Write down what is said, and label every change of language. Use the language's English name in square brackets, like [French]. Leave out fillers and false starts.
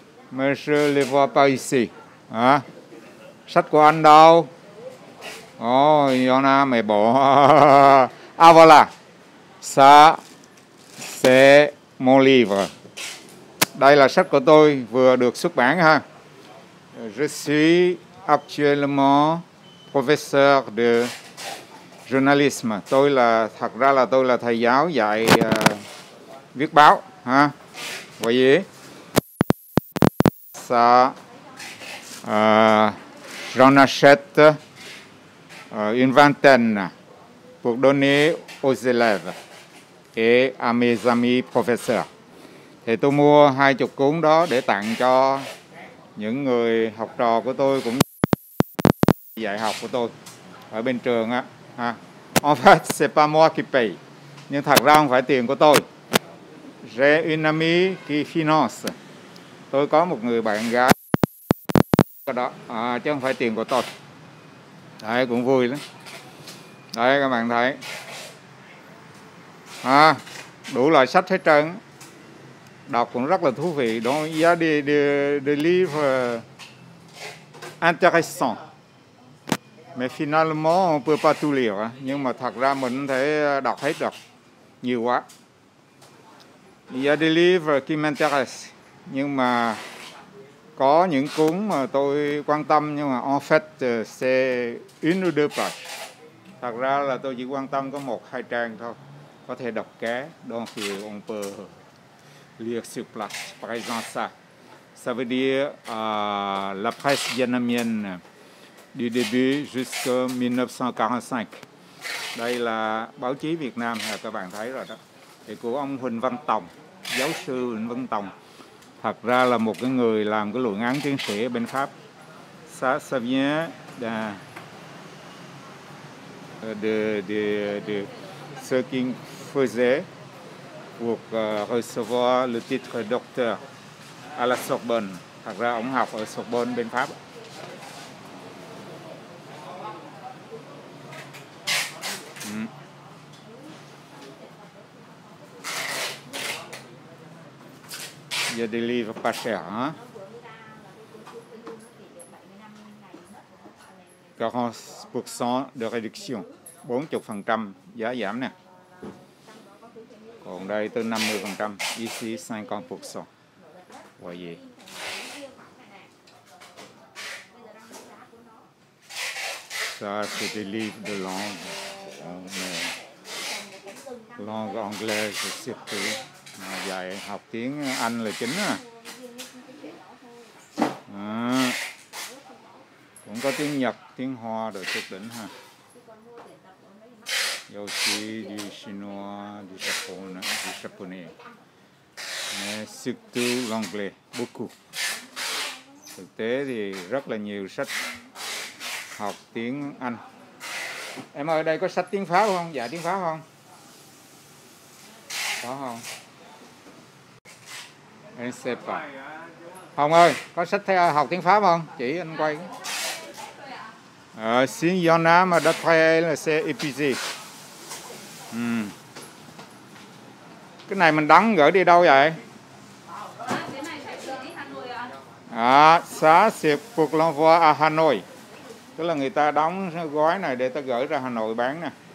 [French] Mais je le vois pas ici. Hả? [Vietnamese] Sách của anh đâu? [French] Oh, Yona, mais bon. Ah, voilà. Ça, c'est mon livre. [Vietnamese] Đây là sách của tôi, vừa được xuất bản ha. [French] Je suis actuellement professeur de journalisme. [Vietnamese] Tôi là, thật ra là tôi là thầy giáo dạy viết báo. [French] Ha. [Vietnamese] Vậy ý. [French] Ça, j'en achète... une vingtaine pour donner aux élèves et à mes amis professeurs. [Vietnamese] Thì tôi mua 20 cuốn đó để tặng cho những người học trò của tôi cũng dạy học của tôi ở bên trường á. [French] En fait, c'est pas moi qui paye. [Vietnamese] Nhưng thật ra không phải tiền của tôi. [French] J'ai une amie qui finance. [Vietnamese] Tôi có một người bạn gái đó, chứ không phải tiền của tôi. Đấy, cũng vui lắm. Đấy, các bạn thấy. Đủ loại sách hết trơn. Đọc cũng rất là thú vị. [French] Donc, il y a des livres intéressants. Mais finalement, on peut pas tout lire. [Vietnamese] Nhưng mà thật ra mình có thể đọc hết được. Nhiều quá. [French] Il y a des livres qui m'intéressent. [Vietnamese] Nhưng mà có những cuốn mà tôi quan tâm nhưng mà [French] en fait c'est une ou deux pages. [Vietnamese] Thật ra là tôi chỉ quan tâm có một hai trang thôi. Có thể đọc ké, [French] donc on peut lire sur place. Par exemple ça. Ça veut dire la presse vietnamienne du début jusqu'à 1945. [Vietnamese] Đây là báo chí Việt Nam, các bạn thấy rồi đó. Thì của ông Huỳnh Văn Tòng, giáo sư Huỳnh Văn Tòng. Thật ra là một cái người làm cái luận án tiến sĩ bên Pháp. [French] Ça, ça vient de ce qu'il faisait pour recevoir le titre docteur à la Sorbonne. [Vietnamese] Thật ra ông học ở Sorbonne bên Pháp. [French] Il y a des livres pas chers, hein? [Vietnamese] 40% [French] de réduction. [Vietnamese] 40% giá giảm nè. Còn đây tới 50%. [French] Ici 50%. Voyez. Ça, c'est des livres de langue. Langue anglaise, surtout. [Vietnamese] Dạy học tiếng Anh là chính à. Cũng có tiếng Nhật, tiếng Hoa rồi chút đỉnh ha. [French] Yêu chí du chinois, du japonais, du japonais. Mais surtout l'anglais, beaucoup. [Vietnamese] Thực tế thì rất là nhiều sách học tiếng Anh. Em ơi, đây có sách tiếng Pháp không? Dạ tiếng Pháp không? Có không? Em sẽ phải. Hồng ơi, có sách theo học tiếng Pháp không? Chỉ anh quay. [French] Si y en a, mais d'après elle, c'est épuisé. [Vietnamese] Cái này mình đóng gửi đi đâu vậy? À, xá xịp Phục Long Vua à Hà Nội. Tức là người ta đóng gói này để ta gửi ra Hà Nội bán nè.